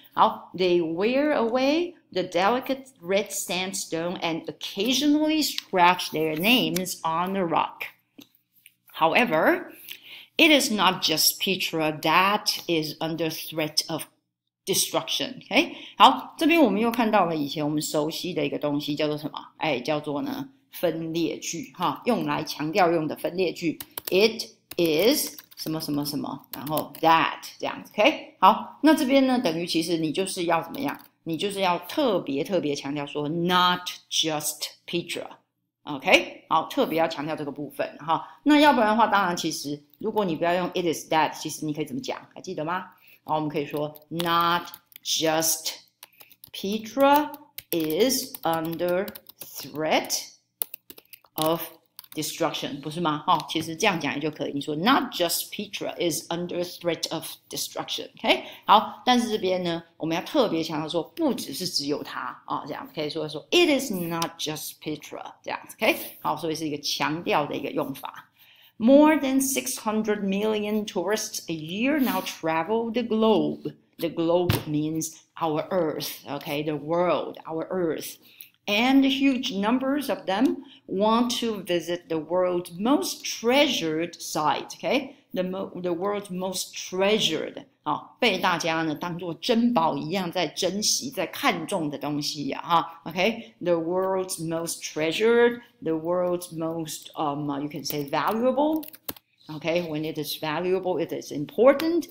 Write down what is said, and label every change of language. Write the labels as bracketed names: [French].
[Chinese] 好 [English] ，they wear away the delicate red sandstone and occasionally scratch their names on the rock. However, it is not just Petra that is under threat of destruction. [Chinese] Okay, 好，这边我们又看到了以前我们熟悉的一个东西，叫做什么？哎，叫做呢分裂句哈，用来强调用的分裂句。 [English] It is. [Chinese] 什么什么什么，然后 that 这样子 ，OK， 好，那这边呢，等于其实你就是要怎么样，你就是要特别特别强调说 [English] not just Petra， [Chinese] OK，、okay? 好，特别要强调这个部分哈。那要不然的话，当然其实如果你不要用 [English] it is that， [Chinese] 其实你可以怎么讲，还记得吗？好，我们可以说 [English] not just Petra is under threat of。 Destruction [Chinese] 不是吗？哈、哦，其实这样讲也就可以。你说 [English] ，Not just Petra is under threat of destruction. [Chinese] OK， 好，但是这边呢，我们要特别强调说，不只是只有他啊、哦，这样可以说说 ， [English] It is not just Petra [Chinese] 这样子。 OK， 好，所以是一个强调的一个用法。 [English] More than 600 million tourists a year now travel the globe. The globe means our Earth. OK， the world, our Earth. And huge numbers of them want to visit the world's most treasured site. Okay, the world's most treasured. [Chinese] 好，被大家呢当做珍宝一样在珍惜、在看重的东西呀、啊，哈。 [English] Okay, the world's most treasured, the world's most you can say valuable. Okay, when it is valuable, it is important.